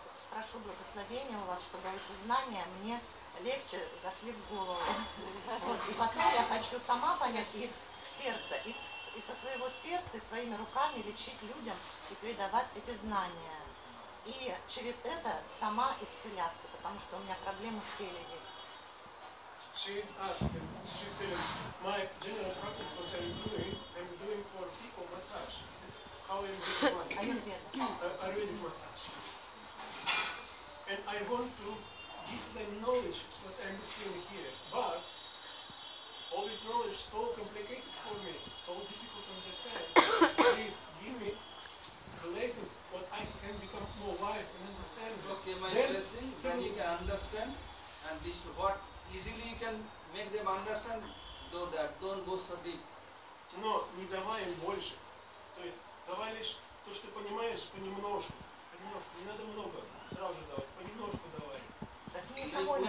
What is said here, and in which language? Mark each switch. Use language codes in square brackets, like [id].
[ru] Прошу благословения у вас, чтобы эти знания мне легче зашли в голову. Вот, и потом я хочу сама понять их в сердце, и со своего сердца, и своими руками лечить людям и передавать эти знания. И через это сама исцеляться, потому что у меня проблемы в теле есть. [en] She is asking, she's telling my general practice what I'm doing for people massage. It's how I'm doing one. Ayurvedic massage. And I want to give them knowledge what I'm seeing here. But all this knowledge so complicated for me, so difficult to understand. Please give me the lessons what I can become more wise and understand. Okay, my blessing, then you can understand and this what? Easily you can make them understand, though that don't go so deep. [ru] Но не давай им больше. То есть давай лишь то, что ты понимаешь, понемножку. Понемножку. Не надо много сразу же давать. Понемножку давай.